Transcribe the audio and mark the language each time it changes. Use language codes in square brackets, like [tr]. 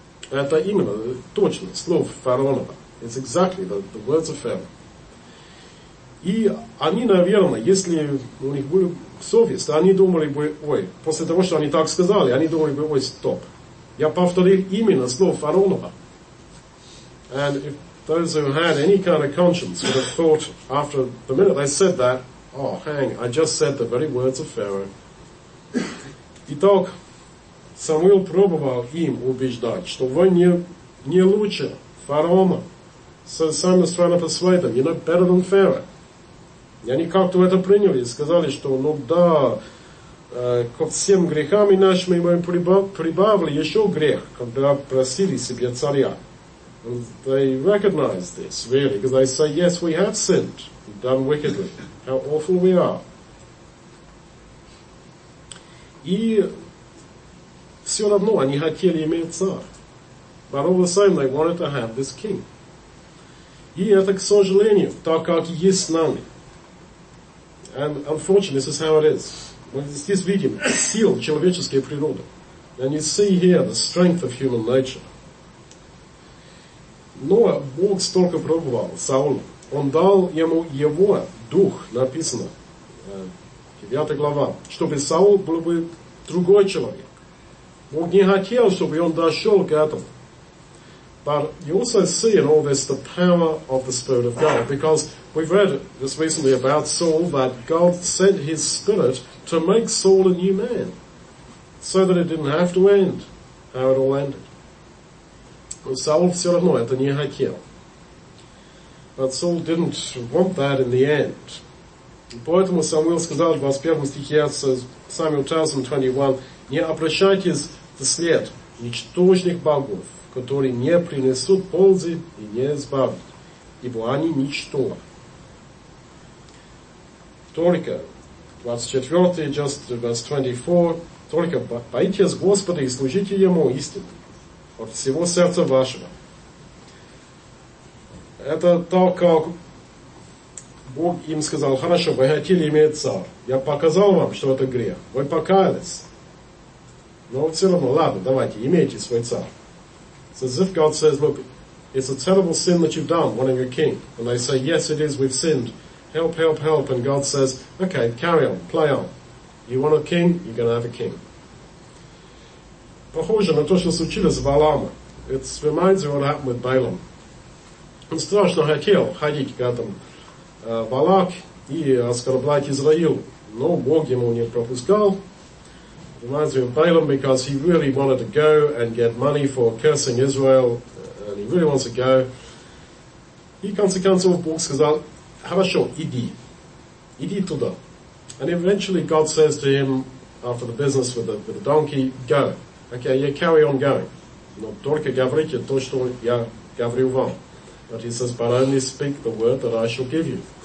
[ru] Это именно точно слов фараона. [en] It's exactly the words of Pharaoh. [ru] И они, наверное, если у них были совесть, они думали бы, ой, после того, что они так сказали, они думали бы, ой, стоп. Я повторил именно слов фараона. [en] And if those who had any kind of conscience would have thought after the minute they said that, oh, hang, I just said the very words of Pharaoh. [ru] Итак, Самуил пробовал им убеждать, что вы не лучше фараона. [en] So Samuel's trying to persuade them, you're not better than Pharaoh. [ru] И они как-то это приняли, сказали, что, ну да, ко всем грехам нашим мы прибавили еще грех, когда просили себе царя. [en] And they recognize this, really, because they say, yes, we have sinned, we've done wickedly. How awful we are. [ru] И все равно они хотели иметь царя. [en] But all the same, they wanted to have this king. [ru] И это, к сожалению, так как есть с нами. [en] And unfortunately, this is how it is. [ru] Мы здесь видим силу человеческой природы. [en] And you see here the strength of human nature. [ru] Но Бог столько пробовал Саула. Он дал ему его дух, написано, 9 глава, чтобы Саул был бы другой человек. Бог не хотел, чтобы он дошел к этому. [en] But you also see in all this the power of the Spirit of God, because we've read just recently about Saul, that God sent his Spirit to make Saul a new man, so that it didn't have to end how it all ended. [ru] Но Саул все равно это не хотел. [en] But Saul didn't want that in the end. [ru] Поэтому Самуил сказал в 21 стихе, [en] Samuel tells him 21, [ru] не обращайтесь вслед ничтожных богов, которые не принесут пользы и не избавят, ибо они ничто. Только, 24, [en] just verse 24, [ru] только бойтесь Господа и служите Ему истинно от всего сердца вашего. Это так, как Бог им сказал, хорошо, вы хотели иметь царь, я показал вам, что это грех, вы покаялись. Но все равно, ладно, давайте, имейте свой царь. [en] It's as if God says, look, it's a terrible sin that you've done, wanting a king. And they say, yes, it is, we've sinned. Help, help, help. And God says, okay, carry on, play on. You want a king, you're going to have a king. [ru] похоже на то, что случилось с Валаамом. Это вспоминается его Рахмад Байлом. Он страшно хотел ходить к этому Балак и оскорблять Израил, но Бог ему не пропускал. [en] Reminds me of Balaam because he really wanted to go and get money for cursing Israel, and he really wants to go. [ru] И в конце концов Бог сказал, хорошо, иди, иди туда. [en] And eventually God says to him, after the business with the donkey, go. Okay, you carry on going. [ru] Но только говорите то, что я говорю вам. [en] But he says, but only speak the word that I shall give you.